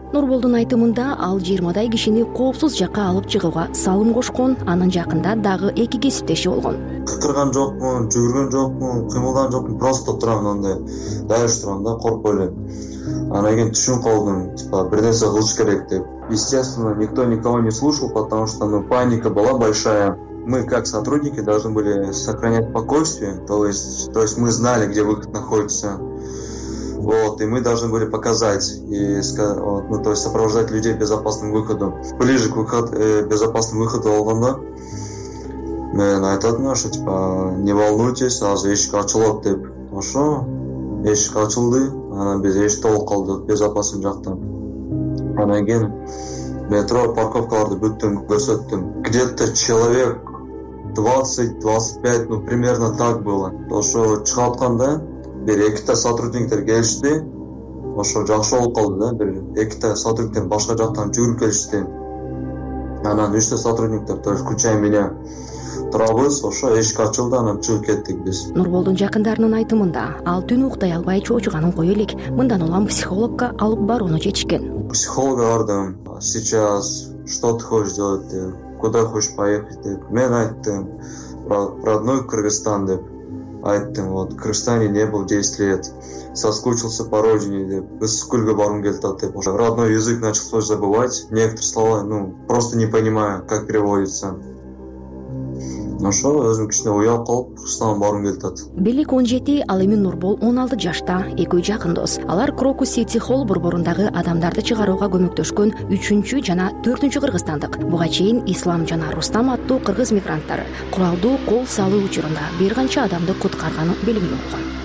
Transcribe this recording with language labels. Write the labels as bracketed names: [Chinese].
[Kyrgyz] Нурболдун айтымында ал 20 кишини коопсуз жакка алып чыгууга салым кошкон, анын жакында дагы эки кесиптеши болгон. Кыкырган жокмун, жүгүргөн жокмун, кыймылдаган жокмун, просто турам андай даяр иш турам да, коркпой эле. Анан кийин түшүнүп калдым, типа бирнерсе кылыш керек деп. [Russian] Естественно, никто никого не слушал, потому что паника была большая. Мы как сотрудники должны были сохранять спокойствие, то есть мы знали, где выход находится. Вот, и мы должны были показать и то есть сопровождать людей к безопасному выходу. Ближе к безопасному выходу [Kyrgyz] алганда, мен айтатын, [Russian] что типа не волнуйтесь, [Kyrgyz] аз эшик ачылат деп. Ошо, эшик ачылды, анан биз эшикте болуп калдык безопасный жакта. Анан кийин метро парковкаларды бүттүн көрсөттүм. [Russian] Где-то человек 20-25, примерно так было. [Kyrgyz] Ошо чыгып атканда бир экита сотрудниктер келишти. Ошо жакшы болуп калды да, бир экита сотрудниктер башка жактан жүгүрүп келишти. Анан үчтө сотрудниктер, [Russian] то есть включая меня, [Kyrgyz] турабыз. Ошо эшик ачылды, анан чыгып кеттик биз. Нурболдун жакындарынын айтымында ал түнү уктай албай чоочуганын кое элек, мындан улам психологко алып барууну чечишкен. Психологко бардым, [Russian] сейчас что ты хочешь делать деп, куда хочешь поехать деп. Мен айттым родной Кыргызстан деп. Айттым, вот, в Кыргызстане не был 10 лет, соскучился по родине, деп, [Kyrgyz] Ысык-Көлгө барым келет деп. [Russian] Родной язык начал свой забывать, некоторые слова, просто не понимаю, как переводится. [Kyrgyz] Өзүм кичине уялып калып, Кыргызстанга барым келет деп. Белек 17, ал эми Нурбол 16 жашта, экөө жакын дос. Алар Крокус Сити холл борборундагы адамдарды чыгарууга көмөктөшкөн 3-чү жана 4-чү кыргызстандык. Буга чейин Ислам жана Рустам аттуу кыргыз мигранттары куралдуу кол салуу учурунда бир канча адамды куткарганы белгилүү болгон.